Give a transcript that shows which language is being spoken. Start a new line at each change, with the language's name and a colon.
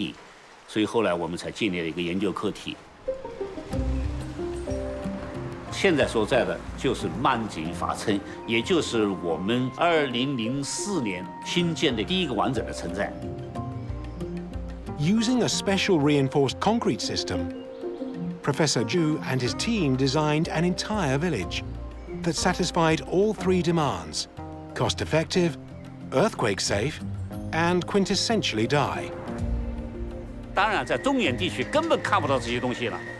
Chinese: 老百姓要盖房子怎么办？所以产生了砖楼，砖的楼就不好，底层不好架空了。即使有少量架空了，非常危险，一地震很弱的。所以最后他们干脆就盖成了汉厝那种平顶房。这个跟傣族房的特色完全消失了。所以在这种情况下，我们和当地，所以后来我们才建立了一个研究课题。
English: Using a special reinforced concrete system, Professor Zhu and his team designed an entire village that satisfied all three demands: cost-effective, earthquake-safe, and quintessentially Dai.
Chinese: 当然，在中原地区根本看不到这些东西了。